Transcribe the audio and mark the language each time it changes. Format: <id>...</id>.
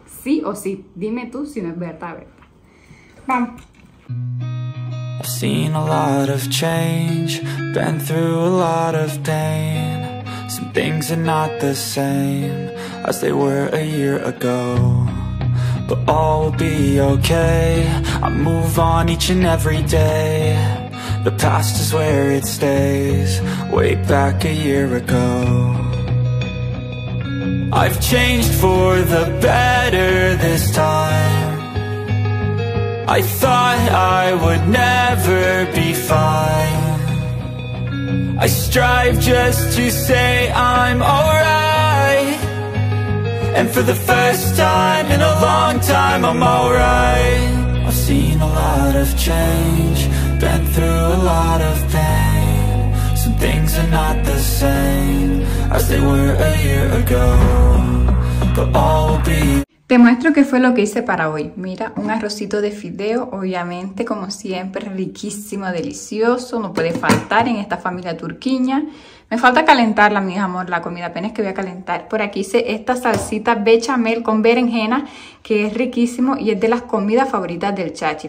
<es>Sí o sí, dime tú si no es verdad, ¿verdad? Vamos.</es> <en>I've seen a lot of change, been through a lot of pain. Some things are not the same as they were a year ago. But all will be okay, I move on each and every day. The past is where it stays, way back a year ago. I've changed for the better this time. I thought I would never be fine. I strive just to say I'm alright. And for the first time in a long time, I'm alright. I've seen a lot of change, been through a lot of pain. Some things are not the same as they were a year ago, but all will be.</en> <es>Te muestro qué fue lo que hice para hoy. Mira, un arrocito de fideo, obviamente, como siempre, riquísimo, delicioso. No puede faltar en esta familia turquiña. Me falta calentarla, mis amor, la comida. Apenas que voy a calentar. Por aquí hice esta salsita bechamel con berenjena, que es riquísimo y es de las comidas favoritas del Chachi.</es>